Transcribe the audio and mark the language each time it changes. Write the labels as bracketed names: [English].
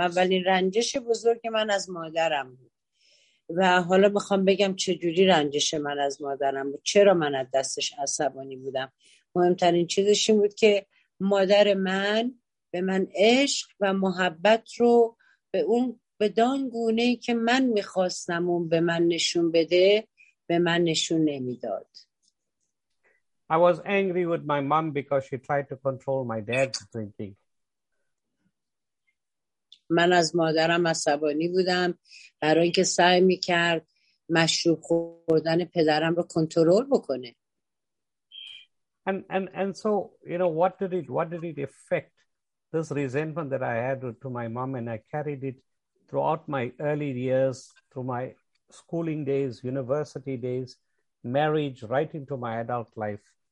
[Persian] اولین رنجش بزرگ من از مادرم بود، و حالا بخوام بگم چجوری رنجش من از مادرم بود، چرا من از دستش عصبانی بودم. مهمترین چیزش این بود که مادر من به من عشق و محبت رو به اون بدان گونه‌ای که من میخواستم اون به من نشون بده، به من نشون نمیداد. [English] I was angry with my mom because she tried to control my dad's drinking. [Persian] من از مادرم عصبانی بودم برای اینکه سعی می‌کرد مشروب خوردن پدرم رو کنترل بکنه. [English] And so, you know, what did it affect, this resentment that I had to my mom, and I carried it throughout my early years, through my schooling days, university days, marriage, right into my adult life.